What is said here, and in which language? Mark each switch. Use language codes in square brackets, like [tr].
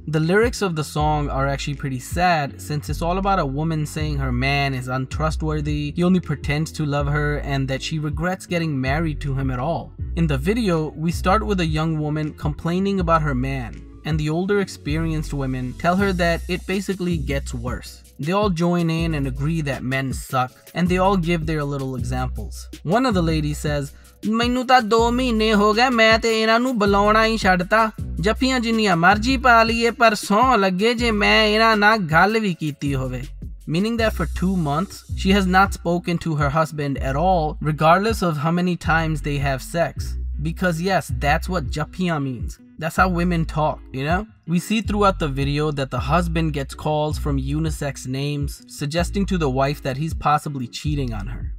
[en] The lyrics of the song are actually pretty sad since it's all about a woman saying her man is untrustworthy, he only pretends to love her, and that she regrets getting married to him at all. In the video, we start with a young woman complaining about her man, and the older experienced women tell her that it basically gets worse. They all join in and agree that men suck, and they all give their little examples. One of the ladies says, [pa] "ਮੈਨੂੰ ਤਾ 2 ਮਹੀਨੇ ਹੋ ਗਏ, ਮੈਂ ਤੇ ਇੰਨਾ ਨੂੰ ਬੁਲਾਉਣਾ ਹੀ ਛੱਡਤਾ. ਜੱਫੀਆਂ ਜਿੰਨੀਆਂ ਮਰਜ਼ੀ ਪਾ ਲਏ ਪਰ ਸੌ ਲੱਗੇ ਜੇ ਮੈਂ ਇੰਨਾ ਨਾ ਗੱਲ ਵੀ ਕੀਤੀ ਹੋਵੇ." [en] Meaning that for 2 months, she has not spoken to her husband at all, regardless of how many times they have sex. Because yes, that's what jappiyan means. That's how women talk, you know? We see throughout the video that the husband gets calls from unisex names, suggesting to the wife that he's possibly cheating on her.